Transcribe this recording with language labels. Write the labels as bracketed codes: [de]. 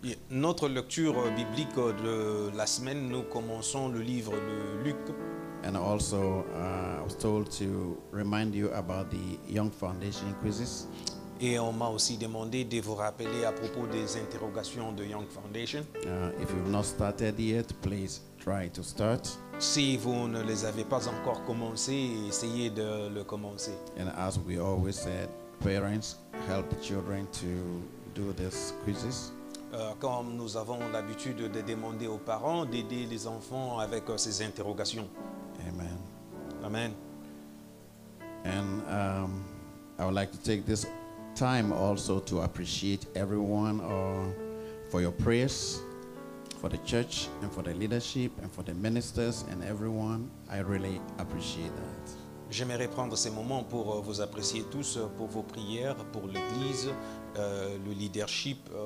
[fr] Notre lecture biblique de la semaine, nous commençons le livre de Luc. [en] And also, I was told to remind you about the Young Foundation quizzes. [fr] Et on m'a aussi demandé de vous rappeler à propos des interrogations de Young Foundation. [en] If you've not started yet, please try to start. [fr] Si vous ne les avez pas encore commencés, essayez de le commencer. [en] And as we always said, parents help children to do this quizzes. [fr] Comme nous avons l'habitude de demander aux parents d'aider les enfants avec ces interrogations. [en] Amen. Amen. And I would like to take this time also to appreciate everyone for your prayers for the church and for the leadership and for the ministers and everyone. I really appreciate that. [fr] J'aimerais prendre ces moments pour vous apprécier tous pour vos prières, pour l'Église, le leadership,